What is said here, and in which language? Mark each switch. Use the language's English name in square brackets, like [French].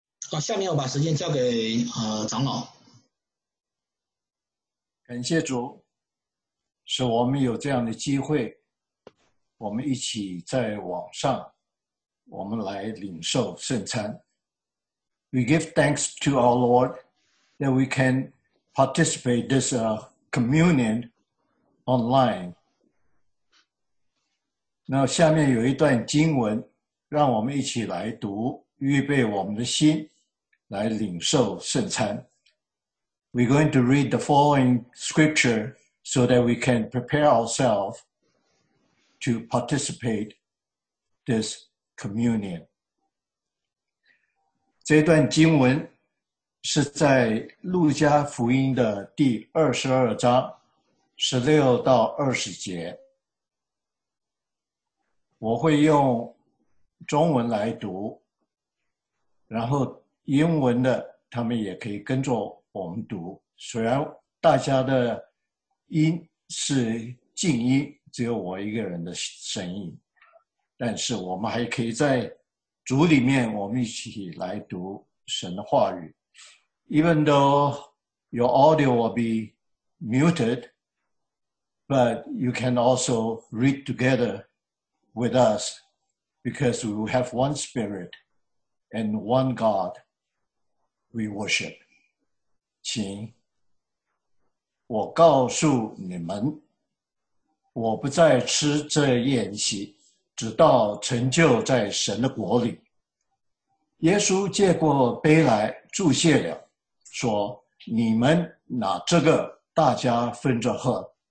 [Chinese] 好，下面我把时间交给长老。感谢主，使我们有这样的机会我们一起在网上，我们来领受圣餐。 [English] We give thanks to our Lord that we can participate this communion online. [Chinese] 那下面有一段经文，让我们一起来读，预备我们的心来领受圣餐。 [English] We're going to read the following scripture so that we can prepare ourselves to participate this communion. [Chinese] 这段经文是在路加福音的第22章16到20节。我会用中文来读，然后英文的他们也可以跟着我们读，虽然大家的音是静音，只有我一个人的声音，但是我们还可以在主里面我们一起来读神的话语。 [English] Even though your audio will be muted, but you can also read together with us because we have one spirit and one God we worship. [Chinese] 请我告诉你们，我不再吃这宴席，直到成就在神的国里。耶稣借过杯来，祝谢了，说：你们拿这个，大家分着喝。